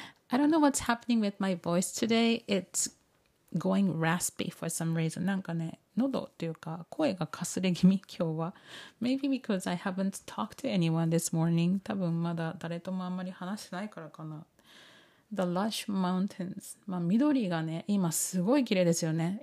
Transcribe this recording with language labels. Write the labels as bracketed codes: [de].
[en] I don't know what's happening with my voice today. It's going raspy for some reason. [ja] なんかね、喉っていうか声がかすれ気味今日は。 [en] Maybe because I haven't talked to anyone this morning. [ja] 多分まだ誰ともあんまり話してないからかな。 [en] The lush mountains. [ja] まあ緑がね、今すごい綺麗ですよね。